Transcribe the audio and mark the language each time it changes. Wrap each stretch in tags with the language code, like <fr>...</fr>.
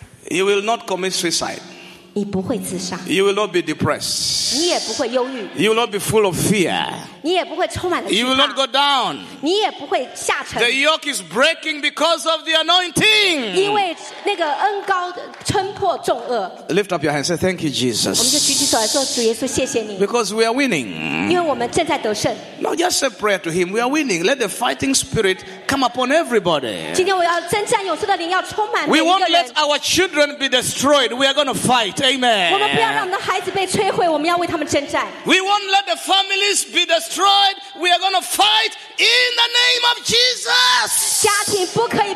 <en>You will not commit suicide.</en> <zh>你不会自杀。</zh> <en>You will not be depressed.</en> <zh>你也不会忧郁。</zh> <en>You will not be full of fear.</en> <zh>你也不会充满了惧怕。</zh> <en>You will not go down.</en> <zh>你也不会下沉。</zh> <en>The yoke is breaking because of the anointing.</en> <zh>因为那个恩膏撑破重轭。</zh> <en>Lift up your hands and say, thank you, Jesus.</en> <zh>我们就举起手来说，主耶稣，谢谢你。</zh> <en>Because we are winning.</en> <zh>因为我们正在得胜。</zh> <en>Not just say prayer to him, we are winning. Let the fighting spirit come upon everybody.</en> <zh>今天我要征战勇士的灵要充满每一个人。</zh> <en>We won't let our children be destroyed. We are going to fight. Amen.</en> <zh>我们不要让我们的孩子被摧毁，我们要为他们征战。</zh> <en>We won't let the families be destroyed. We are going to fight in the name of Jesus.</en>